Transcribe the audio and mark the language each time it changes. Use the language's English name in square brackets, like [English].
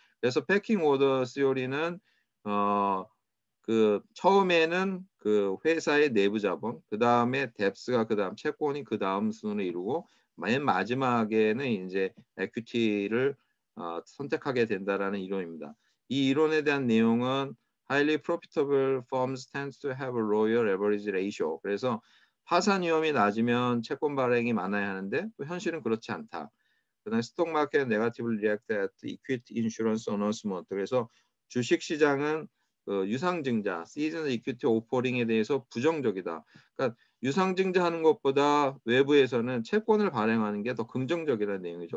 [Korean] 그래서 패킹 오더 시어리는 그 처음에는 그 회사의 내부 자본, 그 다음에 뎁스가 그 다음 채권이 그 다음 순으로 이루고 맨 마지막에는 이제 에퀴티를 선택하게 된다라는 이론입니다. 이 이론에 대한 내용은 [English] Highly profitable firms tend to have a lower leverage ratio. [Korean] 그래서 파산 위험이 낮으면 채권 발행이 많아야 하는데 또 현실은 그렇지 않다. [English] 그다음 스톡 마켓 네거티브 리액트 앳 이퀴티 인슈런스 어나운스먼트. [Korean] 그래서 주식 시장은 유상증자 시즌 이퀴티 오퍼링에 대해서 부정적이다. 그러니까 유상증자 하는 것보다 외부에서는 채권을 발행하는 게더 긍정적이라는 내용이죠.